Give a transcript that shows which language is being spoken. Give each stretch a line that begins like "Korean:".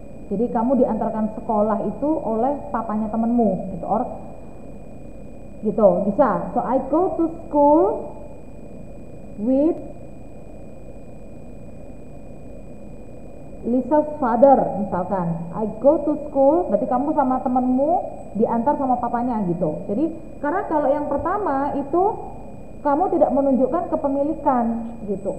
Indonesian: Jadi kamu diantarkan sekolah itu oleh papanya temanmu, gitu, or gitu, bisa.
English: So I go to school with Lisa's father, misalkan. I go to school,
Indonesian: berarti kamu sama temanmu diantar sama papanya, gitu. Jadi karena kalau yang pertama itu kamu tidak menunjukkan kepemilikan, gitu.